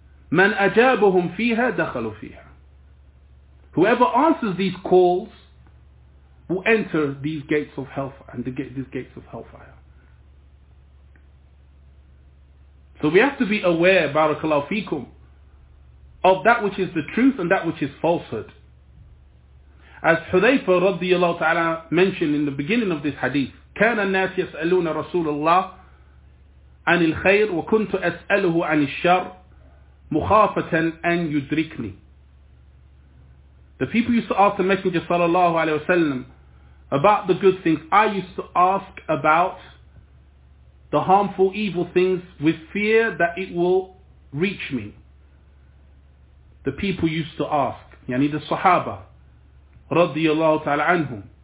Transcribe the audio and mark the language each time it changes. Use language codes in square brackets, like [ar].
[ar] Man ajabuhum fiha dakhalu fiha. [en] Whoever answers these calls will enter these gates of hellfire and these gates of hellfire. So we have to be aware, barakallahu fikum, of that which is the truth and that which is falsehood. As Hudhayfa radiyallahu ta'ala mentioned in the beginning of this hadith, [ar] كَانَ النَّاسِ يَسْأَلُونَ رَسُولَ اللَّهِ عَنِ الْخَيْرِ وَكُنْتُ أَسْأَلُهُ عَنِ الشَّرِ مُخَافَةً أَنْ يُدْرِكْنِي. [en] The people used to ask the Messenger sallallahu alayhi wa sallam about the good things. I used to ask about the harmful evil things with fear that it will reach me. The people used to ask, yani the Sahaba radiyallahu ta'ala anhum.